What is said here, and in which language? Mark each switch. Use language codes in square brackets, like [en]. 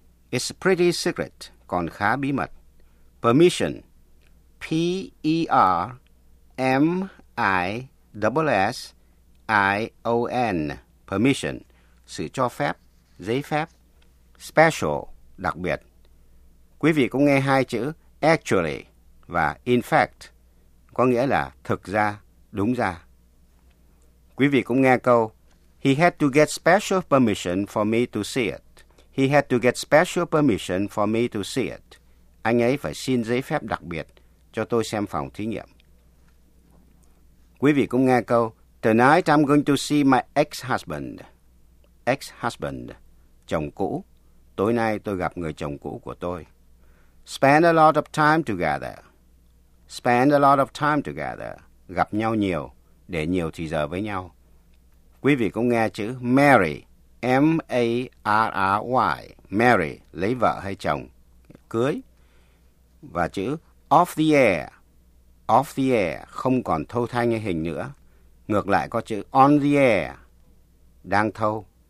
[en] It's pretty secret, [vi] còn khá bí mật. Permission, P-E-R-M-I-S-S-I-O-N, permission, sự cho phép, giấy phép. Special, đặc biệt. Quý vị cũng nghe hai chữ actually và in fact, có nghĩa là thực ra, đúng ra. Quý vị cũng nghe câu, [en] he had to get special permission for me to see it. He had to get special permission for me to see it. [vi] Anh ấy phải xin giấy phép đặc biệt cho tôi xem phòng thí nghiệm. Quý vị cũng nghe câu, [en] tonight I'm going to see my ex-husband. [vi] Ex-husband, chồng cũ. Tối nay tôi gặp người chồng cũ của tôi. [en] Spend a lot of time together. Spend a lot of time together. [vi] Gặp nhau nhiều, để nhiều thì giờ với nhau. Quý vị cũng nghe chữ marry. M-A-R-R-Y. Marry, lấy vợ hay chồng. Cưới. Và chữ off the air. Off the air, không còn thâu thanh như hình nữa. Ngược lại có chữ on the air, đang thâu.